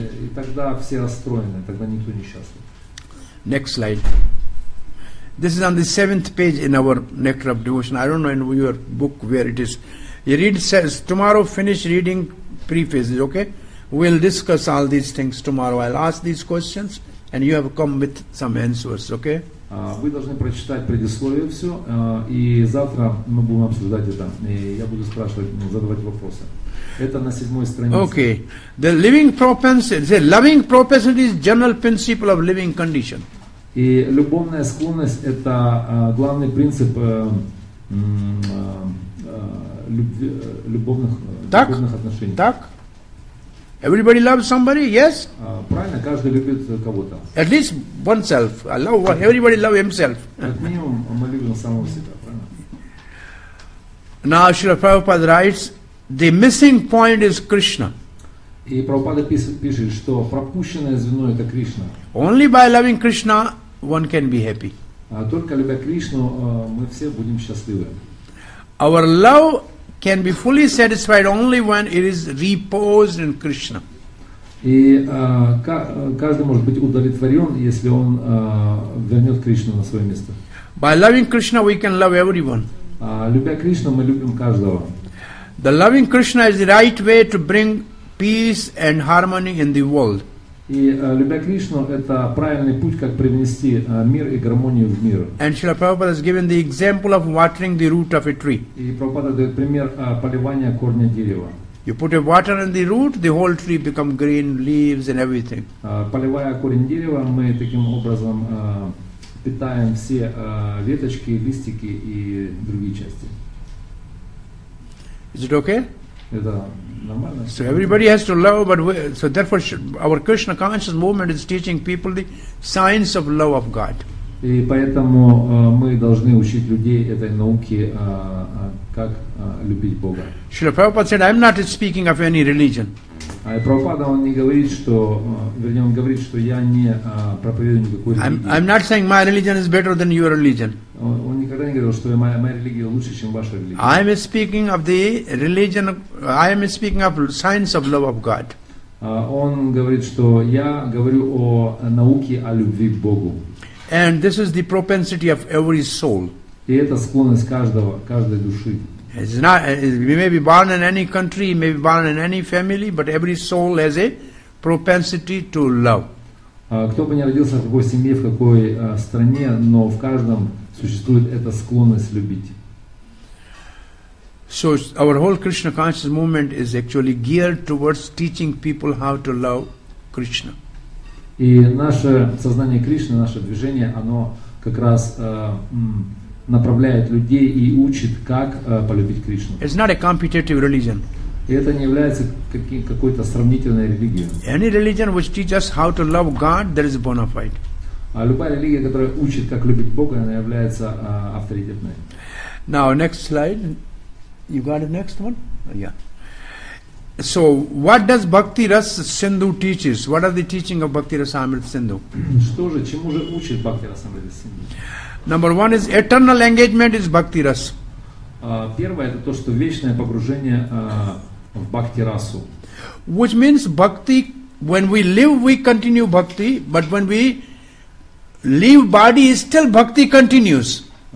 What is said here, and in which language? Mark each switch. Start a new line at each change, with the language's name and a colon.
Russian: И тогда все расстроены, тогда никто не счастлив.
English: Next slide. This is on the 7th page in our Nectar of Devotion. I don't know in your book where it is. You read, says, tomorrow finish reading prefaces, okay? We'll discuss all these things tomorrow. I'll ask these questions and you have come with some answers, okay?
Russian: Вы должны прочитать предисловие все, и завтра мы будем обсуждать это. И я буду спрашивать, ну, задавать вопросы. Это на 7th странице.
English: Okay. The living propensity, the loving propensity is general principle of living condition.
Russian: И любовная склонность – это главный принцип любовных отношений. Так?
English: Everybody loves somebody, yes?
Russian: Правильно, каждый любит кого-то.
English: At least oneself. I love one. Everybody loves himself.
Russian: Как минимум, мы любим самого себя, правильно?
English: Now, Srila Prabhupada writes, the missing point is Krishna.
Russian: И Прабхупада пишет, что пропущенное звено – это Кришна.
English: Only by loving Krishna, one can be happy.
Russian: Только любя Кришну, мы все будем счастливы.
English: Our love can be fully satisfied only when it is reposed in Krishna.
Russian: И каждый может быть удовлетворен, если он вернет Кришну на свое место.
English: By loving Krishna, we can love everyone.
Russian: Любя Кришну, мы любим каждого.
English: The loving Krishna is the right way to bring peace and harmony in the world.
Russian: И любя Кришну, это правильный путь, как привнести мир и гармонию в мир.
English: And Srila Prabhupada has given the example of watering the root of a tree.
Russian: И Прабхупада дает пример поливания корня дерева.
English: You put a water in the root, the whole tree become green, leaves and everything.
Russian: Поливая корень дерева, мы таким образом питаем все веточки, листики и другие части.
English: Is it okay?
Russian: Это нормально.
English: So everybody has to love, but we, so therefore our Krishna conscious movement is teaching people the science of love of God.
Russian: И поэтому мы должны учить людей этой науке, как любить Бога.
English: Srila Prabhupada said, I'm not speaking of any religion.
Russian: Прабхупада, он не говорит, что, вернее, он говорит, что я не проповедую никакой религии.
English: I'm not saying my religion is better than your religion.
Russian: Он никогда не говорил, что моя религия лучше, чем ваша религия.
English: I am speaking of the religion, I am speaking of science of love of God.
Russian: Он говорит, что я говорю о науке о любви к Богу.
English: And this is the propensity of every soul.
Russian: И это склонность каждого, каждой души.
English: It's not, we may be born in any country, we may be born in any family, but every soul has a propensity to love.
Russian: Кто бы ни родился в какой семье, в какой стране, но в каждом существует эта склонность любить.
English: So our whole Krishna conscious movement is actually geared towards teaching people how to love Krishna.
Russian: И наше сознание Кришны, наше движение, оно как раз направляет людей и учит, как полюбить Кришну.
English: It's not a competitive religion.
Russian: И это не является какой-то сравнительной религией.
English: Any religion which teaches us how to love God, there is bona fide.
Russian: А любая религия, которая учит, как любить Бога, она является авторитетной.
English: Now, next slide. You got the next one? Yeah. So, what does Bhakti Ras Sindhu teaches? What are the teaching of Bhakti Ras Amrita Sindhu?
Russian: Что же, чему же учит Бхакти Рас Амрита Синдху?
English: Number one is eternal engagement is Bhakti Ras.
Russian: Первое, это то, что вечное погружение в Бхакти Расу.
English: Which means Bhakti, when we live, we continue Bhakti, but when we leave body, still Bhakti continues.